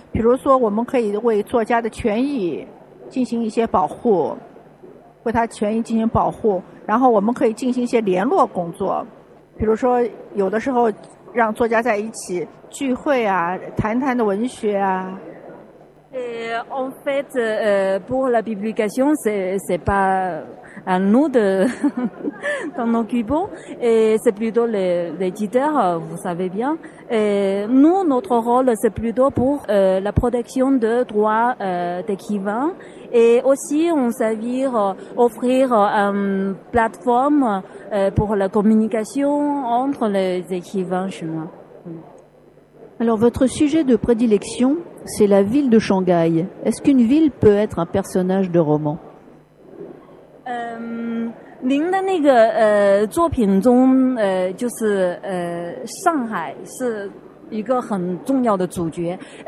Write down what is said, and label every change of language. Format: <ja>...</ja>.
<zh>比如说，我们可以为作家的权益进行一些保护，为他权益进行保护，然后我们可以进行一些联络工作。比如说，有的时候让作家在一起聚会啊，谈谈的文学啊。</zh> <fr>En fait, pour la publication, c'est pas à nous de s'en occuper, c'est plutôt l'éditeur, vous savez bien. Et nous, notre rôle, c'est plutôt pour la protection de droits d'écrivains et aussi on servir, offrir une plateforme pour la communication entre les écrivains chinois. Alors, votre sujet de prédilection, c'est la ville de Shanghai. Est-ce qu'une ville peut être un personnage de roman ?</fr> <zh>您的那个作品中就是上海是一个很重要的主角。</zh>